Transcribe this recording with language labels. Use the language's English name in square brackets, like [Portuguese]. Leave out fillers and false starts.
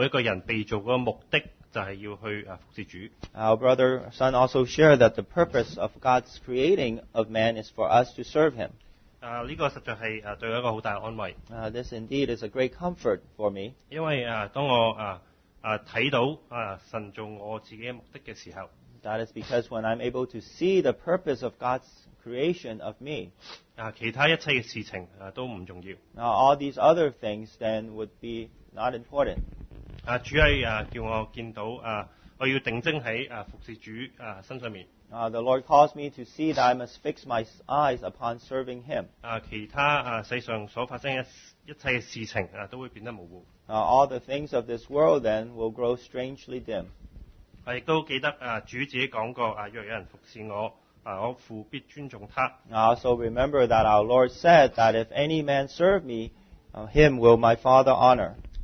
[Chinese] 他甚至講到我們每一個人被造的目的就是要去服侍主。 [English] Our Brother Sun also shared that the purpose of God's creating of man is for us to serve him. [Chinese] 這個實在是對我一個很大的安慰。 [English] This indeed is a great comfort for me. [Chinese] 因為當我看到神做我自己目的的時候, [English] that is because when I'm able to see the purpose of God's creation of me, [Chinese] 其他一切的事情都不重要。 [English] All these other things then would be not important. [Chinese] 主要叫我見到我要定睛在服侍主身上面。 [English] The Lord calls me to see that I must fix my eyes upon serving Him. [Chinese] 其他世上所發生的一切事情都會變得模糊。 [English] All the things of this world then will grow strangely dim. [Chinese] 亦都記得主自己講過,若有人服侍我,我父必尊重他。 [English] Also remember that our Lord said that if any man serve me, him will my Father honor.